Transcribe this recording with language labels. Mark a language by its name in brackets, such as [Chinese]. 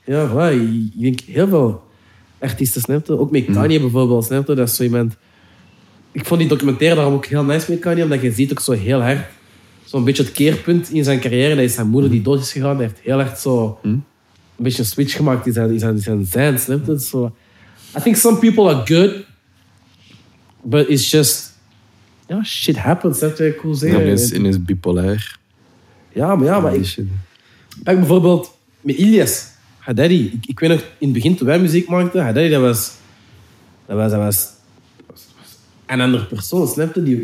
[Dutch] Ja, ik denk heel veel artiesten, snap je? Ook met Kanye bijvoorbeeld, snap je? Dat is zo iemand... Ik vond die documentaire daarom ook heel nice met Kanye, omdat je ziet ook zo heel hard zo'n beetje het keerpunt in zijn carrière. Dat is zijn moeder die dood is gegaan. Hij heeft heel hard zo een beetje een switch gemaakt in zijn snap je? [English] So, I think some people are good, but it's just... [Dutch] Ja, [English] shit happens, [Dutch] dat is cool zeggen. Ja, in is bipolair. Ja, maar ik... Kijk bijvoorbeeld met Ilyas, Hadaddy. Ik weet nog, in het begin toen wij muziek maakten, Hadaddy, dat was een andere persoon, snap je?